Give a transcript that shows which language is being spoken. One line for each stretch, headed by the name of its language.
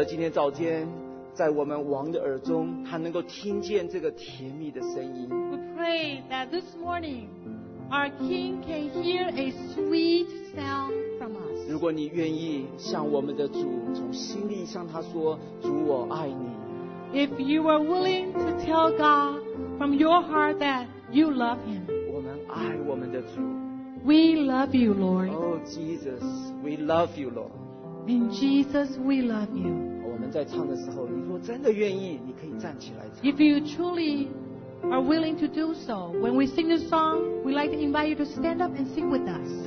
Chinese: 早间在我们王的耳中，他能够听见这个甜蜜的声音。
English: We pray that this morning our King can hear a sweet sound from us.
Chinese: 如果你愿意向我们的主从心里向他说，主我爱你。
English: If you are willing to tell God from your heart that you love Him.
Chinese: 我们爱我们的主。
English: We love you, Lord. Oh Jesus, we love you, Lord. In Jesus, we love you.
Chinese: 在唱的时候，你如果真的愿意，你可以站起来唱。
English: If you truly are willing to do so, when we sing the song, we'd like to invite you to stand up and sing with us.